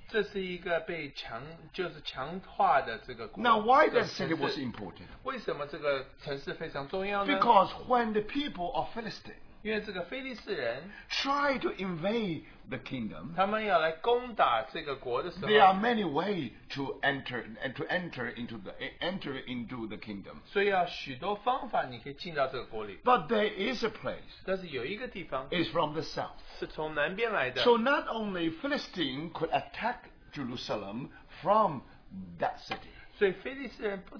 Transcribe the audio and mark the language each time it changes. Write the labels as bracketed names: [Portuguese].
[Chinese] 这是一个被强, 就是强化的这个国, [English] now why that city was important? [Chinese] 为什么这个城市非常重要呢? [English] Because when the people of Philistine, [Chinese] 因为这个菲利士人, [English] try to invade the kingdom, [Chinese] 他们要来攻打这个国的时候, [English] there are many ways to enter and to enter into the kingdom. [Chinese] 所以要许多方法你可以进到这个国里, [English] but there is a place, [Chinese] 但是有一个地方, [English] is from the south, [Chinese] 是从南边来的, [English] so not only Philistine could attack Jerusalem from that city.